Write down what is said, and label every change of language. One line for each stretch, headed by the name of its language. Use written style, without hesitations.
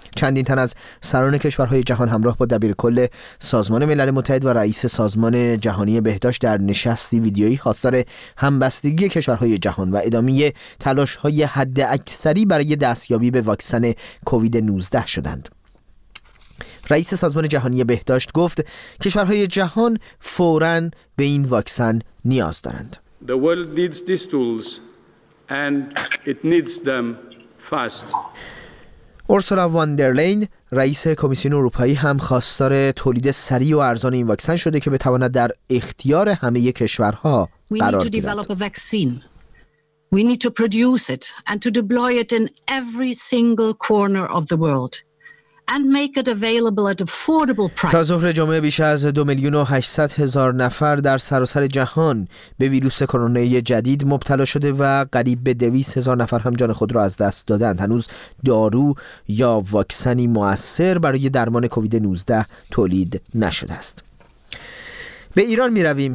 Persian: چندین تن از سران کشورهای جهان همراه با دبیرکل سازمان ملل متحد و رئیس سازمان جهانی بهداشت در نشستی ویدیویی خواستار همبستگی کشورهای جهان و ادامه تلاش‌های حداکثری برای دستیابی به واکسن کووید 19 شدند. رئیس سازمان جهانی بهداشت گفت کشورهای جهان فوراً به این واکسن نیاز دارند.
English: The world needs these tools and it needs them fast.
Persian: اورسولا واندرلین رئیس کمیسیون اروپایی هم خواستار تولید سریع و ارزان این واکسن شده که بتواند در اختیار همه کشورها قرار گیرد.
English: We need to develop a vaccine. We need to produce it and to deploy it in every single corner of the world. And make it available at affordable price.
Persian: تا ظهر جمعه بیش از 2,800,000 نفر در سراسر جهان به ویروس کرونا جدید مبتلا شده و قریب به 200,000 نفر هم جان خود را از دست دادند. هنوز دارو یا واکسنی مؤثر برای درمان کووید 19 تولید نشده است. به ایران می رویم.